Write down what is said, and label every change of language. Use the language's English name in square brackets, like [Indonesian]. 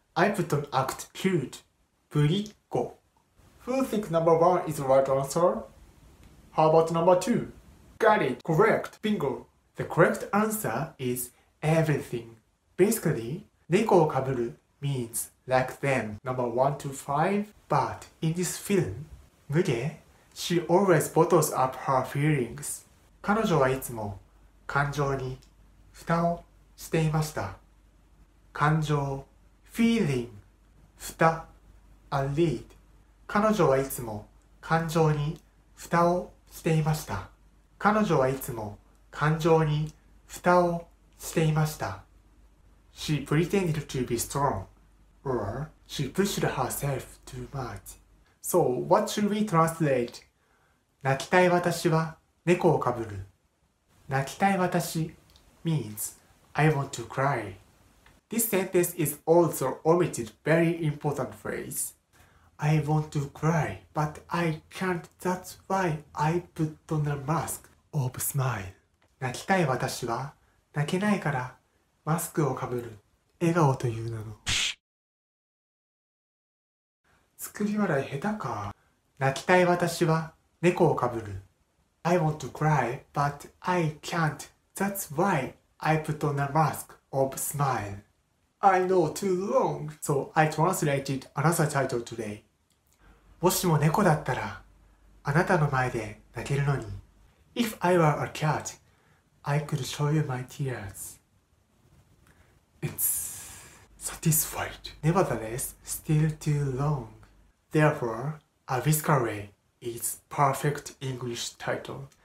[English] I put on act cute. ぶりっ子。Who think number 1 is the right answer? How about number 2? Got it! Correct! Bingo! The correct answer is everything. Basically, 猫をかぶる means like them, number 1 to 5. But in this film, Muge, she always bottles up her feelings. [Japanese] 彼女はいつも感情に蓋をしていました。感情 feeling 蓋 a lid 彼女はいつも感情に蓋をしていました。彼女はいつも感情に蓋をしていました。 [English] She pretended to be strong, or she pushed herself too much. So, what should we translate? [Japanese] 泣きたい私は猫をかぶる。 [English] 泣きたい私 means I want to cry. This sentence is also omitted very important phrase. I want to cry, but I can't. That's why I put on a mask of smile. [Japanese] 泣きたい私は泣けないからマスクをかぶる。笑顔という名の。作り笑い下手か。泣きたい私は猫をかぶる。 [English] I want to cry, but I can't. That's why I put on a mask of smile. I know too long, so I translated another title today. [Japanese] もしも猫だったら、あなたの前で泣けるのに。 [English] If I were a cat, I could show you my tears. It's satisfied. Nevertheless, still too long. Therefore, A Whisker Away is perfect English title.